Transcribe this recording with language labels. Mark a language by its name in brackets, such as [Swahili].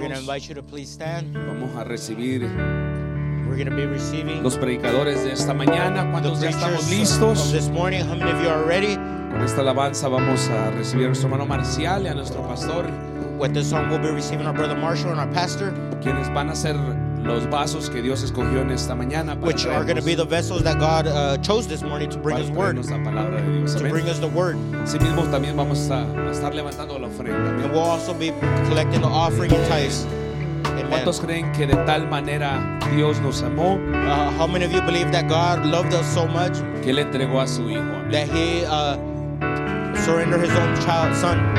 [English] We're going to invite you to please stand. [Spanish] Vamos a recibir. [English] We're going to be receiving [Spanish] los predicadores de esta mañana. ¿Cuántos ya estamos listos? [English] This morning, how many of you are ready? [Spanish] Con esta alabanza vamos a recibir a nuestro hermano Marcial y a nuestro pastor. [English] With this song, we'll be receiving our brother Marshall and our pastor. [Spanish] Quienes van a ser los vasos que Dios escogió en esta mañana. [English] Which are going to be the vessels that God chose this morning to bring His word. [Spanish] La palabra de Dios. [English] To bring us the word. [Spanish] Sí mismo también vamos a estar levantando la ofrenda. [English] And we'll also be collecting the offering and tithes. [Spanish] ¿Cuántos creen que de tal manera Dios nos amó? [English] How many of you believe that God loved us so much? [Spanish] Que le entregó a su hijo. [English] That He surrendered His own child, son.